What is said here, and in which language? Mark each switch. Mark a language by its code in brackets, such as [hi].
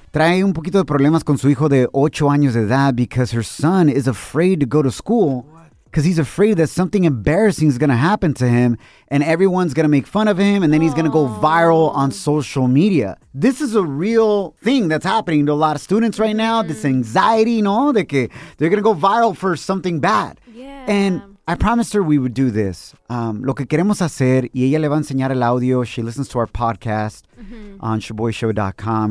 [es] Trae un poquito de problemas con su hijo de 8 años de edad [en] because her son is afraid to go to school because he's afraid that something embarrassing is going to happen to him and everyone's going to make fun of him and then he's going to go viral on social media. This is a real thing that's happening to a lot of students right now, this anxiety, no? [es] De que [en] they're going to go viral for something bad. Yeah. And I promised her we would do this. [es] Lo que queremos hacer, y ella le va a enseñar el audio. [en] She listens to our podcast on shaboyshow.com.